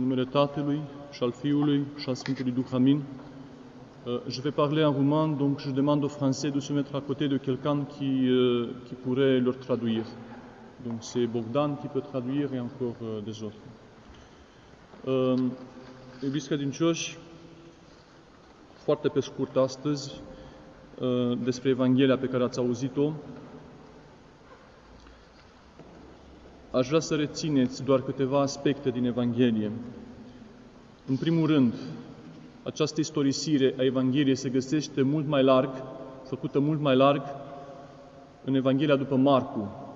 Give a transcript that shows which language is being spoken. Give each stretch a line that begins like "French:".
Romanian: Tatălui și al Fiului și al Sfântului Duh. Amin.
French: Je vais parler en roumain, donc je demande aux Français de se mettre à côté de quelqu'un qui pourrait leur traduire. Donc c'est Bogdan qui peut traduire et encore des autres.
Romanian: Iubiți credincioși, foarte pe scurt astăzi, despre Evanghelia pe care ați auzit-o, aș vrea să rețineți doar câteva aspecte din Evanghelie. În primul rând, această istorisire a Evangheliei se găsește mult mai larg, făcută mult mai larg, în Evanghelia după Marcu.